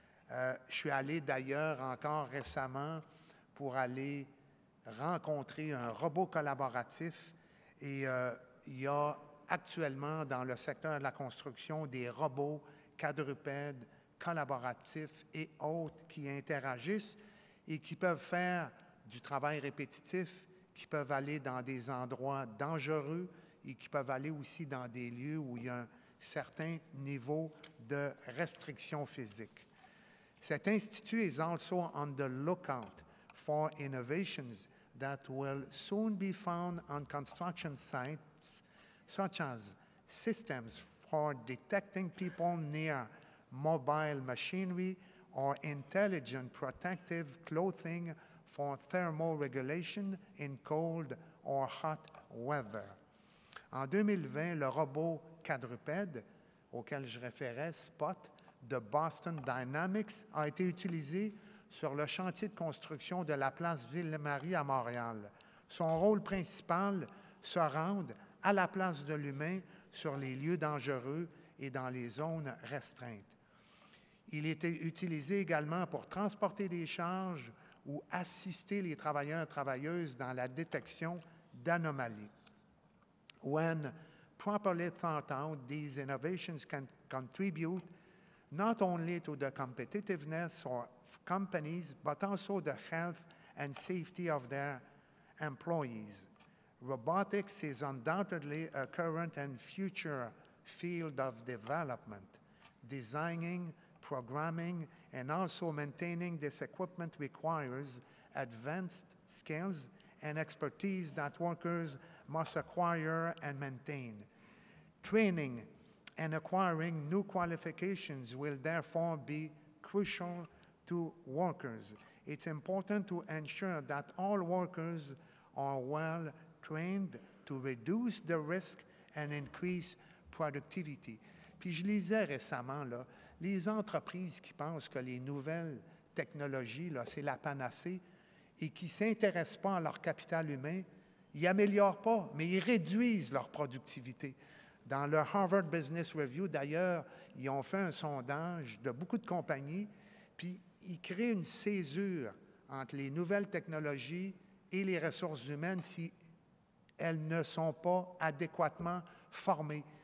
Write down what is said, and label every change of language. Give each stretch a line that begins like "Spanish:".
French: Je suis allé d'ailleurs encore récemment pour aller rencontrer un robot collaboratif et il y a actuellement dans le secteur de la construction des robots quadrupèdes, collaboratifs et autres qui interagissent et qui peuvent faire du travail répétitif, qui peuvent aller dans des endroits dangereux et qui peuvent aller aussi dans des lieux où il y a un certain niveau de restriction physique. Cet institut
English: is also on the lookout for innovations that will soon be found on construction sites, such as systems for detecting people near mobile machinery or intelligent protective clothing for thermoregulation in cold or hot weather.
French: En 2020, le robot quadrupède auquel je référais, Spot, de Boston Dynamics, a été utilisé sur le chantier de construction de la place Ville-Marie à Montréal. Son rôle principal, se rendre à la place de l'humain sur les lieux dangereux et dans les zones restreintes. Il était utilisé également pour transporter des charges ou assister les travailleurs et travailleuses dans la détection d'anomalies.
English: When properly thought out, these innovations can contribute not only to the competitiveness of companies, but also the health and safety of their employees. Robotics is undoubtedly a current and future field of development. Designing, programming, and also maintaining this equipment requires advanced skills and expertise that workers must acquire and maintain. Training and acquiring new qualifications will therefore be crucial to workers. It's important to ensure that all workers are well trained to reduce the risk and increase productivity.
French: Puis je lisais récemment, là, les entreprises qui pensent que les nouvelles technologies, là, c'est la panacée, et qui ne s'intéressent pas à leur capital humain, ils n'améliorent pas, mais ils réduisent leur productivité. Dans le Harvard Business Review, d'ailleurs, ils ont fait un sondage de beaucoup de compagnies, puis ils créent une césure entre les nouvelles technologies et les ressources humaines si elles ne sont pas adéquatement formées.